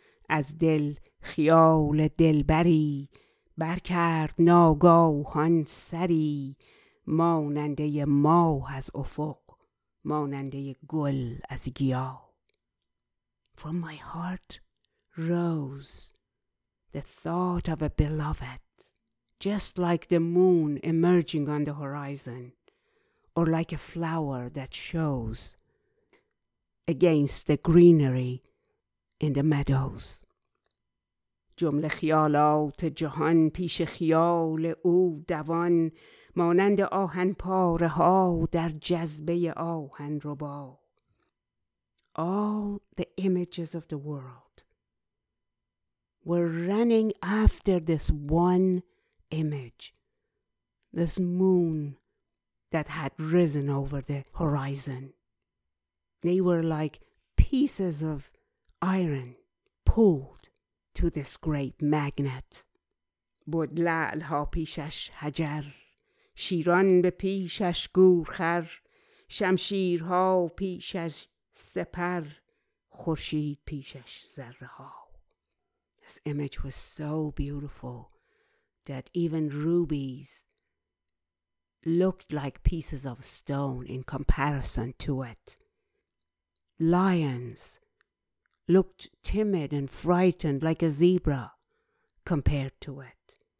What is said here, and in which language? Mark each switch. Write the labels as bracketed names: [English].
[Persian] از دل خیال دلبری برکرد ناگاهان سری، ماننده ماه از افق، ماننده گل از گیا. [English] From my heart rose the thought of a beloved, just like the moon emerging on the horizon, or like a flower that shows against the greenery in the meadows. [Persian] جمله خیالات جهان پیش خیال او دوان، مانند آهن پاره ها در جذبه آهن ربا. [English] All the images of the world were running after this one image, this moon that had risen over the horizon. They were like pieces of iron pulled to this great magnet. [Persian] بود لعل ها پیشش حجر، شیران به پیشش گورخر، شمشیر ها پیشش سپر، خورشید پیشش ذره ها. [English] This image was so beautiful that even rubies looked like pieces of stone in comparison to it. Lions looked timid and frightened like a zebra compared to it.